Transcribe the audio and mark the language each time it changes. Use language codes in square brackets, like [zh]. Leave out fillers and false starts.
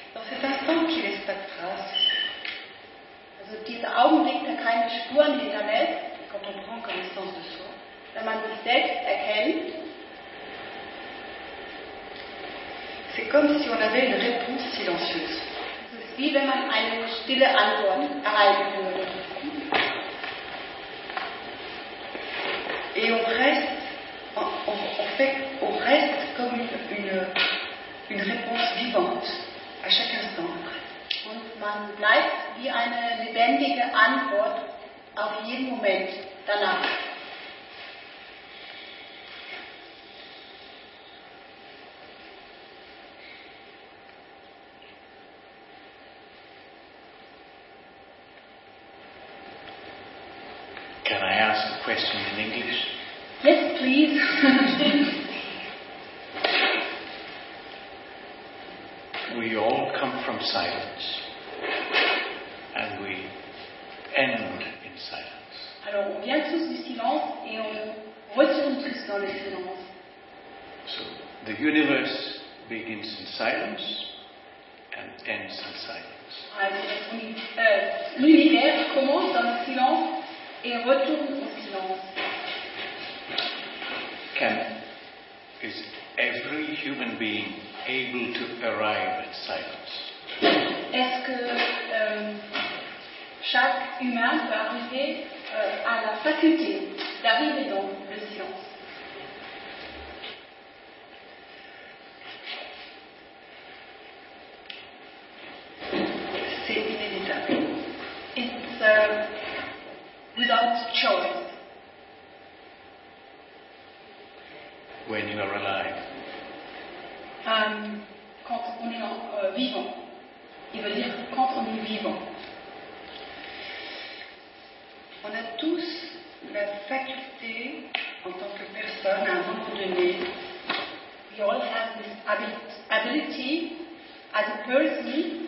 [fr] Cet instant qui laisse pas de trace. [de] Also dieser Augenblick, der keine Spuren hinterlässt, [fr] quand on prend connaissance de soi, [de] wenn man sich selbst erkennt, [fr] c'est comme si on avait une réponse silencieuse. C'est [de] wie wenn man eine stille Antwort erhalten würde. [fr] Et on reste comme une réponse vivante. À chaque instant. [de] Und man bleibt wie eine lebendige Antwort auf jeden Moment danach. [en] Can I ask a question in English? Yes, please. We all come from silence, and we end in silence. [fr] Alors, on vient tous du silence et on retourne tous dans le silence. [en] So the universe begins in silence and ends in silence. [fr] Alors, l'univers commence dans le silence et retourne au silence. [en] Is every human being able to arrive at silence? [fr] Est-ce que chaque humain peut arriver à la faculté d'arriver dans le silence? C'est inévitable. [en] It's without choice. When you are alive. [fr] Quand on est vivant. Il veut dire quand on est vivant. On a tous la faculté en tant que personne à un moment donné. [en] We all have this ability as a person